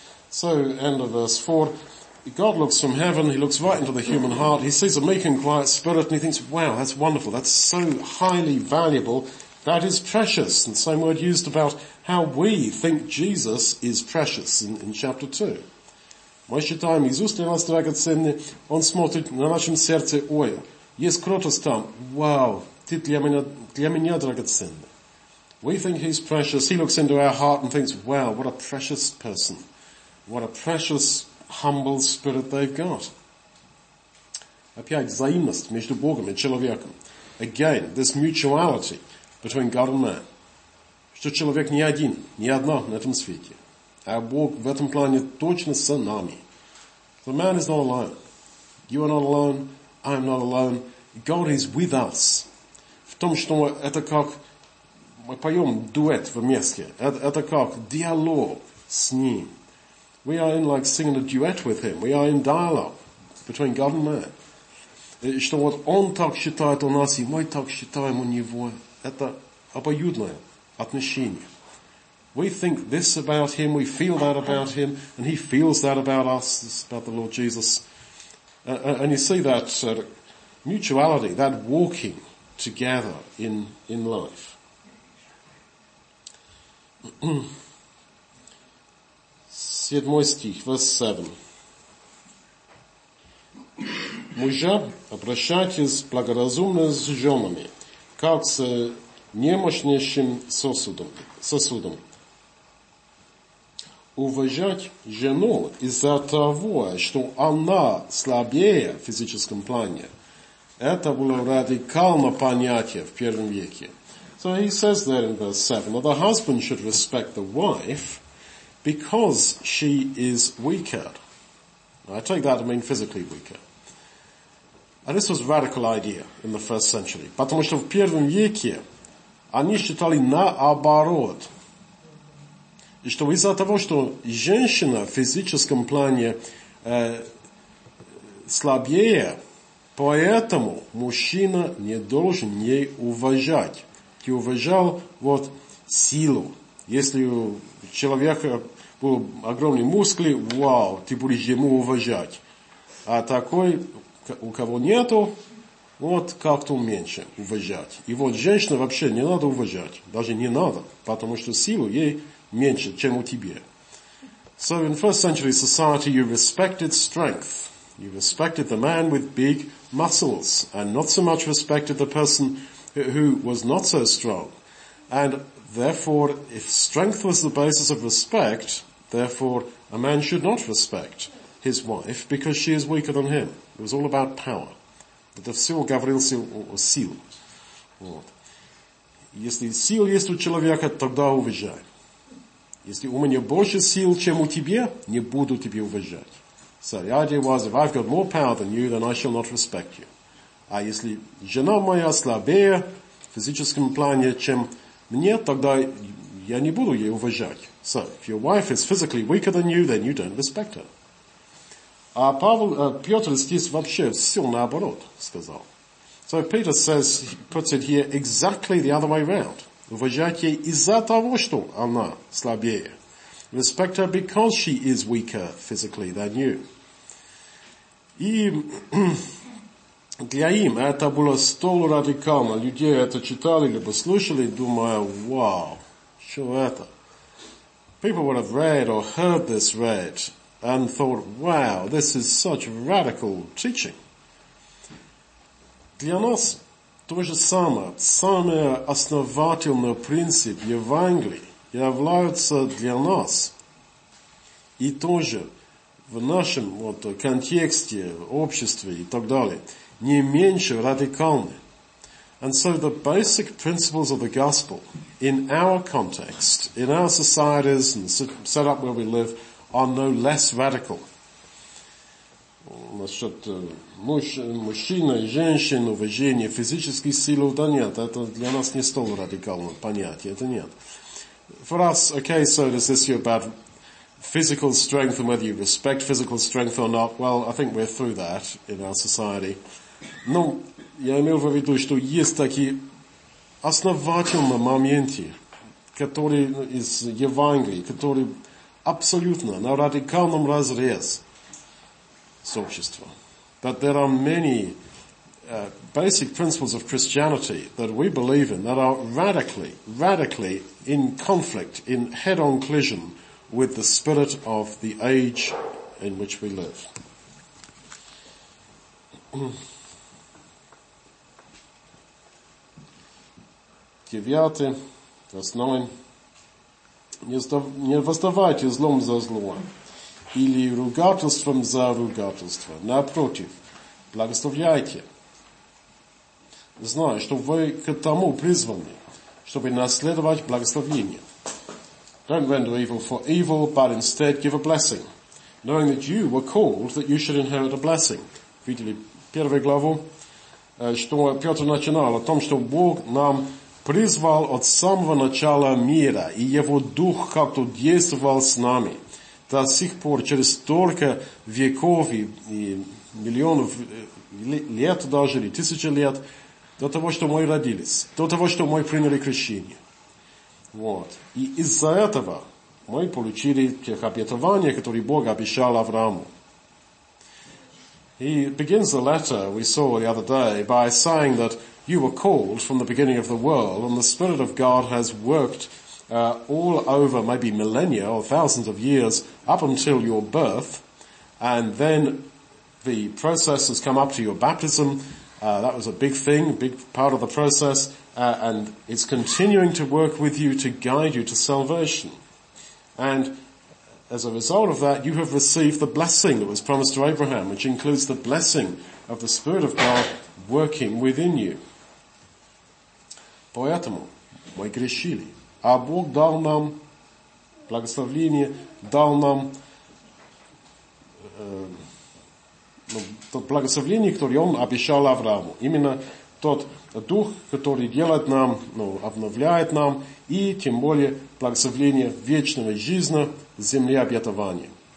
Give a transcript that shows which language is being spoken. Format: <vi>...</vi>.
<en>So, end of verse 4. God looks from heaven, he looks right into the human heart, he sees a meek and quiet spirit, and he thinks, wow, that's wonderful, that's so highly valuable, that is precious. And the same word used about how we think Jesus is precious in chapter 2.</en> <ru>Мы считаем, Иисус для нас драгоценный, он смотрит на нашем сердце, ой, есть кротость там, вау, ты для меня драгоценный.</ru> <en>We think he's precious, he looks into our heart and thinks, wow, what a precious person, what a precious humble spirit they've got.</en> <ru>Опять взаимность между Богом и человеком.</ru> <en>Again, this mutuality between God and man.</en> <ru>что человек не один, не одна на этом свете. А Бог в этом плане точно с нами.</ru> <en>The man is not alone. You are not alone. I am not alone. God is with us.</en> <ru>В том, что это как, мы поем дуэт вместе. Это как диалог с ним.</ru> <en>We are in like singing a duet with him. We are in dialogue between God and man.</en> <ru>Что вот он так считает о нас, и мы так считаем о него. Это обоюдное отношение.</ru> <en>We think this about him, we feel that about him, and he feels that about us, about the Lord Jesus. And you see that mutuality, that walking together in life.</en> <ru>Седьмой стих,</ru> <en>verse 7.</en> <ru>Мужа обращайтесь благоразумно с женами, как с немощнейшим сосудом. Уважать жену из-за того, что она слабее в физическом плане, это было радикально понятие в первом веке. So he says there in verse 7, that the husband should respect the wife because she is weaker. I take that to mean physically weaker. And this was a radical idea in the first century. Потому что в первом веке они считали наоборот. И что из-за того, что женщина в физическом плане слабее, поэтому мужчина не должен ей уважать. Ты уважал вот силу. Если у человека был огромный мускли, вау, ты будешь ему уважать. А такой, у кого нету, вот как-то меньше уважать. И вот женщина вообще не надо уважать. Даже не надо, потому что силу ей меньше, чем у тебя.</ru> <en>So in first century society you respected strength. You respected the man with big muscles and not so much respected the person who was not so strong. And therefore, if strength was the basis of respect, therefore a man should not respect his wife because she is weaker than him. It was all about power.</en> <ru>Это все говорил сил. Вот. Если сил есть у человека, тогда уважай. Если у меня больше сил, чем у тебя, не буду тебя уважать.</ru> <en>So the idea was, if I've got more power than you, then I shall not respect you.</en> <ru>А если жена моя слабее в физическом плане, чем мне, тогда я не буду ее уважать.</ru> <en>So if your wife is physically weaker than you, then you don't respect her.</en> <ru>А Петр здесь вообще все наоборот сказал.</ru> <en>So Peter says, he puts it here exactly the other way around.</en> <ru>Уважать ей из-за того, что она слабее.</ru> <en>Respect her because she is weaker physically than you.</en> <ru>И для им это было столь радикально. Люди это читали, либо слушали, думая, вау, что это?</ru> <en>People would have read or heard this read and thought, wow, this is such radical teaching.</en> <ru>Для нас то же самое. Самый основательный принцип Евангелия является для нас. И тоже в нашем вот, контексте, обществе и так далее, не меньше радикальный.</ru> <en>And so the basic principles of the gospel in our context, in our societies and set up where we live, are no less radical.</en> <ru>Насчет мужчины и женщин, уважение физических сил, да нет, это для нас не столь радикальное понятие, это нет.</ru> <en>For us, okay, so this issue about physical strength and whether you respect physical strength or not, well, I think we're through that in our society.</en> <ru>Но я имел в виду, что есть такие основательные моменты, которые из Евангелия, которые абсолютно на радикальном разрезе с обществом.</ru> <en>But there are many basic principles of Christianity that we believe in that are radically, radically in conflict, in head-on collision with the spirit of the age in which we live.</en> <ru>Девятый, восьмой. Не воздавайте злом за зло, или ругательством за ругательство. Напротив, благословляйте. Знаю, что вы к тому призваны, чтобы наследовать благословение.</ru> <en>Don't render evil for evil, but instead give a blessing, knowing that you were called that you should inherit a blessing.</en> <ru>Видели первую главу, что Петр начинал о том, что Бог нам призвал от самого начала мира, и Его Дух как-то действовал с нами. До сих пор, через столько веков и миллионов лет даже, или тысячи лет, до того, что мы родились, до того, что мы приняли крещение. Вот. И из-за этого мы получили тех обетований, которые Бог обещал Аврааму.</ru> <en>He begins the letter we saw the other day by saying that you were called from the beginning of the world and the Spirit of God has worked all over maybe millennia or thousands of years up until your birth, and then the process has come up to your baptism. That was a big thing, a big part of the process, and it's continuing to work with you to guide you to salvation. And as a result of that, you have received the blessing that was promised to Abraham, which includes the blessing of the Spirit of God working within you.</en> <ru>Поэтому мы грешили, а Бог дал нам благословение, дал нам то благословение, которое Он обещал Аврааму. Именно тот Дух, который делает нам, обновляет нам, и тем более благословение вечного жизни в земле обетования.</ru>